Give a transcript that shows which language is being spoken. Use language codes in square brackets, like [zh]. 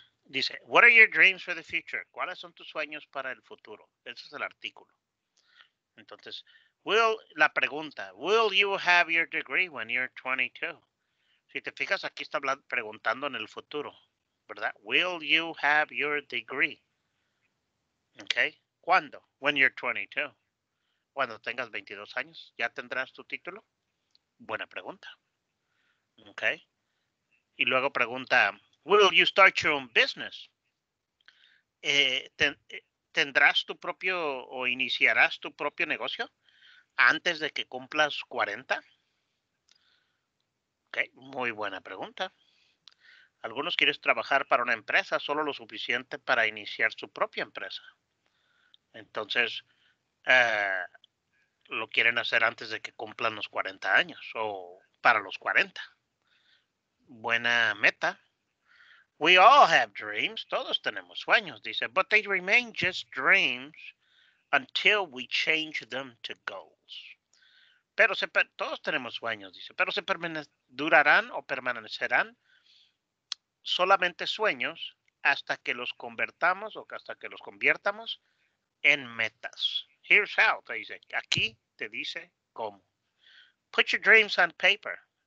[es] Dice, [en] what are your dreams for the future? [es] ¿Cuáles son tus sueños para el futuro? Ese es el artículo. Entonces, la pregunta, [en] will you have your degree when you're 22? [es] Si te fijas, aquí está preguntando en el futuro, ¿verdad? [en] Will you have your degree? Okay. [es] ¿Cuándo? [en] When you're 22. [es] Cuando tengas 22 años, ¿ya tendrás tu título? Buena pregunta. Okay. Y luego pregunta, [en] will you start your own business? [es] ¿Tendrás tu propio o iniciarás tu propio negocio antes de que cumplas 40? Ok, muy buena pregunta. Algunos quieren trabajar para una empresa solo lo suficiente para iniciar su propia empresa. Entonces, lo quieren hacer antes de que cumplan los 40 años o para los 40. Buena meta. [en] We all have dreams, [es] todos tenemos sueños, dice, [en] but they remain just dreams until we change them to goals. [es] Pero se, todos tenemos sueños, dice, pero se durarán o permanecerán solamente sueños hasta que los convertamos o hasta que los conviertamos en metas. [en] Here's how, [es] te dice, aquí te dice cómo. [en] Put your dreams on paper.